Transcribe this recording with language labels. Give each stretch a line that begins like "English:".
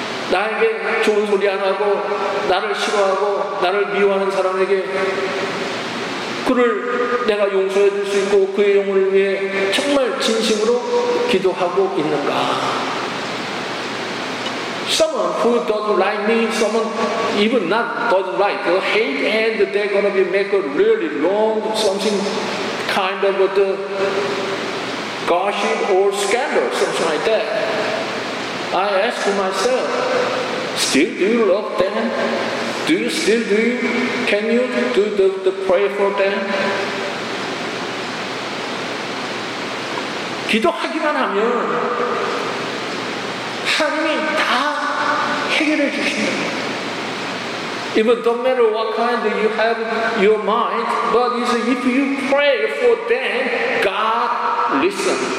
Korean: 나에게 좋은 소리 안 하고 나를 싫어하고 나를 미워하는 사람에게 그를 내가 용서해 줄 수 있고 그의 영혼을 위해 정말 진심으로 기도하고 있는가?
English: Someone who doesn't like me, someone even not doesn't like, hate, and they're gonna be make a really long something kind of the gossip or scandal, something like that. I ask myself, still do you love them? Can you do the prayer for them?
Korean: 기도하기만 하면 하나님이 다 해결해 주신다.
English: Even don't matter what kind you have your mind, but if you pray for them, God listen.